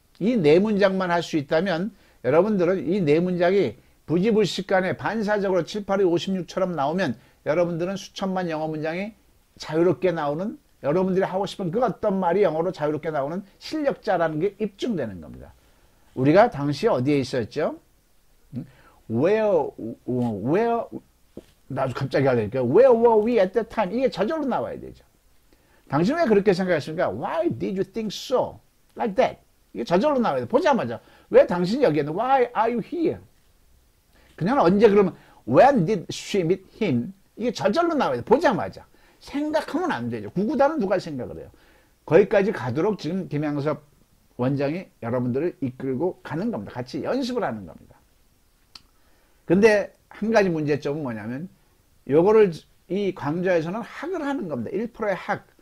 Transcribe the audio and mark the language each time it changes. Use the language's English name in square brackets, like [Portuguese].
[Korean] 이네 문장만 할수 있다면 여러분들은 이네 문장이 부지불식간에 반사적으로 7, 8, 2, 5, 16처럼 나오면 여러분들은 수천만 영어 문장이 자유롭게 나오는 여러분들이 하고 싶은 그 어떤 말이 영어로 자유롭게 나오는 실력자라는 게 입증되는 겁니다. 우리가 당시 어디에 있었죠? [English] Where [Korean] 나도 갑자기 하려니까 [English] Where were we at that time? [Korean] 이게 저절로 나와야 되죠. 당신은 왜 그렇게 생각하십니까? [English] Why did you think so? Like that. [Korean] 이게 저절로 나와야 돼. 보자마자 왜 당신이 여기 있는? [English] Why are you here? [Korean] 그녀는 언제 그러면 [English] When did she meet him? [Korean] 이게 저절로 나와야 돼. 보자마자 생각하면 안 되죠. 구구단은 누가 생각을 해요? 거기까지 가도록 지금 김양섭 원장이 여러분들을 이끌고 가는 겁니다. 같이 연습을 하는 겁니다. 근데 한 가지 문제점은 뭐냐면 요거를 이 강좌에서는 학을 하는 겁니다. 1%의 학.